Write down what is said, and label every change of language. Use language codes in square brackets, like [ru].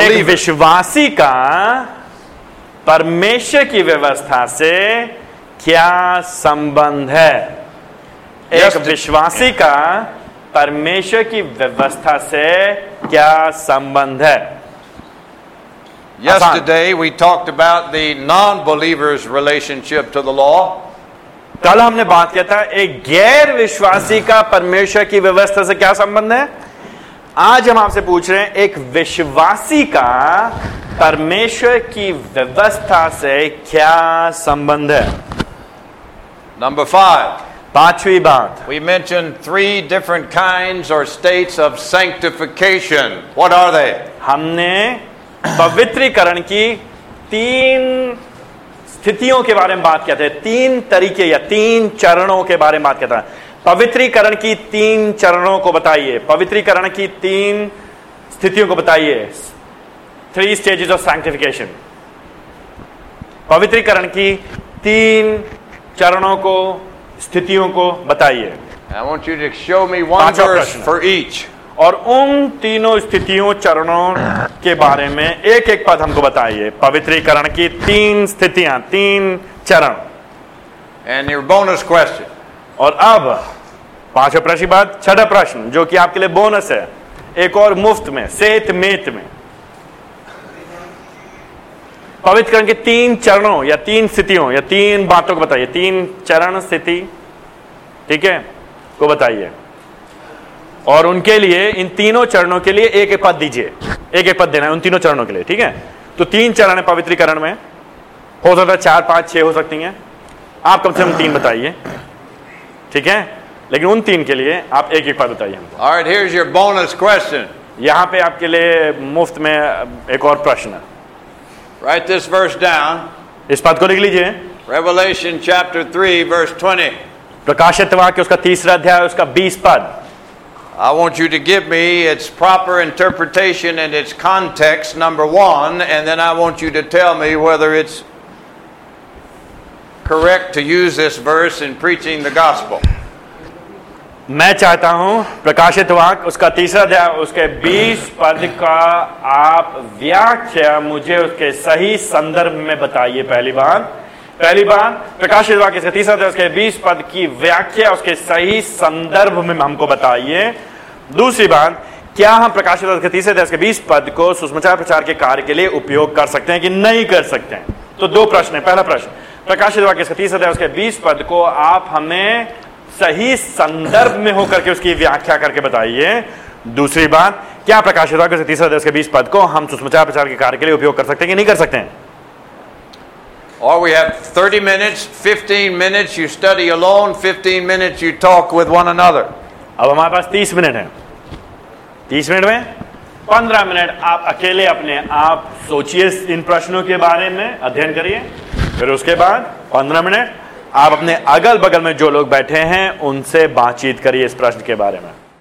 [hi] एक विश्वासी का परमेश्वर की व्यवस्था से क्या संबंध है? एक विश्वासी का परमेश्वर की व्यवस्था से क्या संबंध है? [en] Yesterday we talked about the non-believer's relationship to the law. [hi] कल हमने बात किया था एक गैर विश्वासी का परमेश्वर की व्यवस्था से क्या संबंध है. आज हम आपसे पूछ रहे हैं एक विश्वासी का परमेश्वर की व्यवस्था से क्या संबंध है. नंबर 5, पांचवी बात. [en] We mentioned 3 different kinds or states of sanctification. What are they? [hi] हमने पवित्रीकरण की तीन स्थितियों के बारे में बात किया था, तीन तरीके या तीन चरणों के बारे में बात किया था. पवित्रीकरण की तीन चरणों को बताइए, पवित्रीकरण की तीन स्थितियों को बताइए. 3 [en] Stages of sanctification. [hi] पवित्रीकरण की तीन चरणों को, स्थितियों को बताइए. [en] I want you to show me one verse for each. [hi] और उन तीनों स्थितियों चरणों के बारे में एक एक पद हमको बताइए. पवित्रीकरण की तीन स्थितियां, तीन चरण. [en] And your bonus question. [hi] और अब पांचवा प्रश्न बाद छठा प्रश्न, जो कि आपके लिए बोनस है, एक और मुफ्त में, सेहत मेत में. पवित्रकरण के तीन चरणों या तीन स्थितियों या तीन बातों को बताइए. तीन चरण स्थिति, ठीक है, को बताइए. और उनके लिए, इन तीनों चरणों के लिए एक एक पद दीजिए. एक एक पद देना है उन तीनों चरणों के लिए. ठीक है, तो तीन चरण है पवित्रीकरण में, हो सकता है 4, 5, 6 हो सकती है. आप कम से कम 3 बताइए. ठीक है, लेकिन उन तीन के लिए आप एक एक पद बताइए. [en] All right, here's your bonus question. [hi] यहां पे आपके लिए मुफ्त में एक और प्रश्न है. [en] Write this verse down. [hi] इस पद को लिख लीजिए. [en] Revelation chapter 3 verse 20. [hi] प्रकाशित वाक्य उसका तीसरा अध्याय उसका 20 पद. [en] I want you to give me its proper interpretation and its context, number 1, and then I want you to tell me whether it's correct to use this verse in preaching the gospel. [hi] मैं चाहता हूं प्रकाशित वाक उसका तीसरा अध्याय उसके 20 पद का आप व्याख्या मुझे उसके सही संदर्भ में बताइए. पहली बार प्रकाशित वाक इसका तीसरा अध्याय उसके 20 पद की व्याख्या उसके सही संदर्भ में हमको बताइए. दूसरी बात, क्या हम प्रकाशित वाक के तीसरे अध्याय के 20 पद को सुसमाचार प्रचार के कार्य के लिए उपयोग कर सकते हैं कि नहीं कर सकते हैं? तो दो प्रश्न है. पहला प्रश्न, प्रकाशित वाक इसका तीसरा अध्याय उसके 20 पद को आप हमें सही संदर्भ में होकर के उसकी व्याख्या करके बताइए. दूसरी बात, क्या प्रकाशित वाक्य से तीसरे अध्याय के 20 पद को हम सुसमाचार प्रचार के कार्य के लिए उपयोग कर सकते हैं कि नहीं कर सकते हैं? [en] Or we have 30 minutes, 15 minutes you study alone, 15 minutes you talk with one another. [hi] अब हमारे पास 30 मिनट है. 30 मिनट में 15 मिनट आप अकेले अपने आप सोचिए इन प्रश्नों के बारे में, अध्ययन करिए. फिर उसके बाद 15 मिनट आप अपने अगल बगल में जो लोग बैठे हैं उनसे बातचीत करिए इस प्रश्न के बारे में.